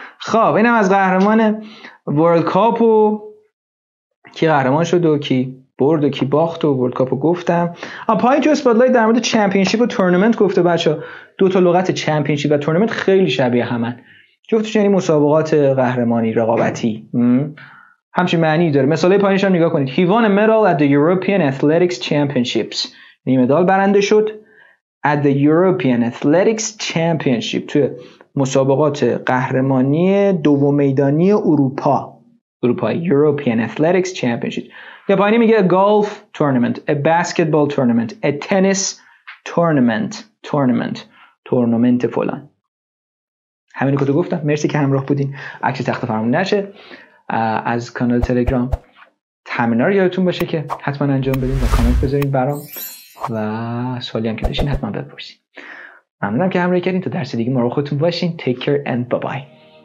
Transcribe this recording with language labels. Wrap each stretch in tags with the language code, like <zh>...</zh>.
<fa>خب اینم از قهرمان ورلد کاپ و کی قهرمان شد و کی برد و کی باخت و ورلد کاپو گفتم. پایین تو اسپاتلایت در مورد چمپیونشیپ و تورنمنت گفته بچه. دو تا لغت چمپیونشیپ و تورنمنت خیلی شبیه همن. جفتش یعنی مسابقات قهرمانی رقابتی. همچین معنی داره. مثال پایینش هم نگاه کنید.</fa> <en>He won a medal at the European Athletics Championships.</en> <fa>یعنی مدال برنده شد</fa> <en>at the European Athletics Championship</en> <fa>تو مسابقات قهرمانی دو میدانی اروپا.</fa> <en>اروپایی European Athletics Championship.</en> <fa>یا پایینی میگه</fa> <en>a golf tournament, a basketball tournament, a tennis tournament, tournament فلان.</en> <fa>همینو که تو گفتم. مرسی که همراه بودین. عکس تخت فرمون نشه. از کانال تلگرام تمرینار یادتون باشه که حتما انجام بدین و کامنت بذارین برام و سوالی هم که داشتین حتما بپرسین. ممنونم که همراه کردین. تا درس دیگه مراقب خودتون باشین.</fa> <en>Take care and bye bye.</en>